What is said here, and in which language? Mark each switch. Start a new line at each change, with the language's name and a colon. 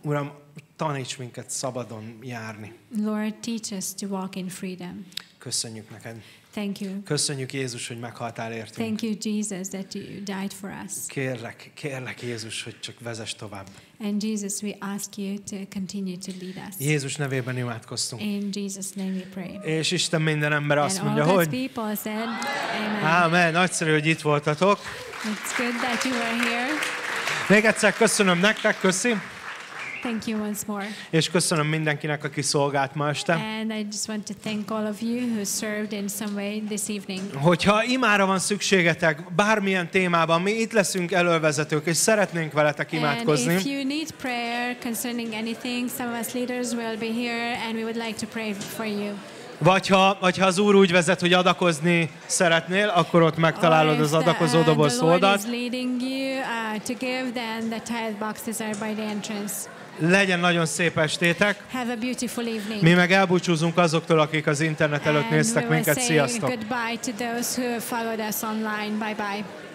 Hungarian: Uram, taníts minket szabadon járni.
English: Lord, teach us to walk in freedom.
Hungarian: Köszönjük neked.
English: Thank you.
Hungarian: Köszönjük, Jézus, hogy meghaltál értünk.
English: Thank you, Jesus, that you died for us.
Hungarian: Kérlek, Jézus, hogy csak vezess tovább.
English: And Jesus, we ask you to continue to lead us.
Hungarian: Jézus nevében imádkoztunk.
English: In Jesus' name we pray.
Hungarian: És Isten minden ember
English: and
Hungarian: azt mondja, hogy
English: people said, amen. Amen.
Hungarian: Nagyszerű, hogy itt voltatok.
English: It's good that you are here.
Hungarian: Még egyszer köszönöm nektek, köszi.
English: Thank you once more.
Hungarian: És köszönöm mindenkinek, aki szolgált ma este.
English: And I just want to thank all of you who served in some way this evening.
Hungarian: Hogyha imára van szükségetek bármilyen témában, mi itt leszünk elővezetők, és szeretnénk veletek imádkozni.
English: And if you need prayer concerning anything, some of us leaders will be here and we would like to pray for you.
Hungarian: Vagy ha az Úr úgy vezet, hogy adakozni szeretnél, akkor ott megtalálod az adakozó doboz oldalt.
English: The Lord is leading you to give, then the tithe boxes are by the entrance.
Hungarian: Legyen nagyon szép estétek.
English: Have a beautiful evening.
Hungarian: Mi meg elbúcsúzunk azoktól, akik az internet előtt
English: and
Hungarian: néztek minket. Sziasztok!
English: Goodbye to those who followed us online. Bye-bye.